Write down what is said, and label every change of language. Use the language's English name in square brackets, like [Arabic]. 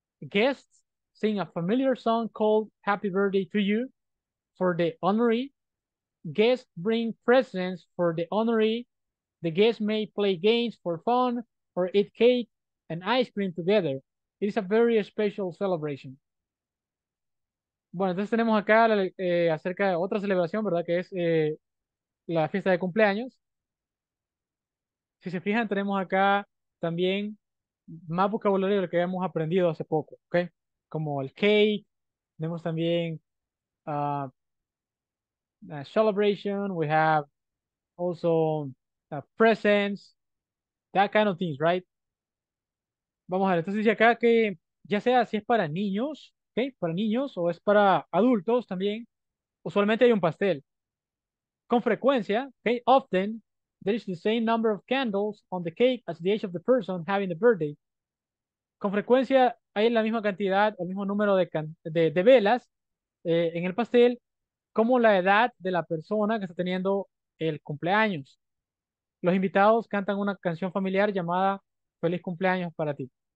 [English] Guests sing a familiar song called Happy Birthday to You for the honoree. Guests bring presents for the honoree. The guests may play games for fun or eat cake and ice cream together. It is a very special celebration. [Spanish] Bueno, entonces tenemos acá acerca de otra celebración, ¿verdad? Que es la fiesta de cumpleaños. Si se fijan, tenemos acá también más vocabulario del que habíamos aprendido hace poco, ¿ok? Como el cake, tenemos también [English] a celebration, we have also presents, that kind of things, right? [Spanish] Vamos a ver, entonces dice acá que ya sea si es para niños, okay, para niños, o es para adultos también, usualmente hay un pastel. Con frecuencia, [English] okay, often, there is the same number of candles on the cake as the age of the person having the birthday. [Spanish] Con frecuencia hay la misma cantidad, el mismo número de velas en el pastel, como la edad de la persona que está teniendo el cumpleaños. Los invitados cantan una canción familiar llamada Feliz Cumpleaños para ti.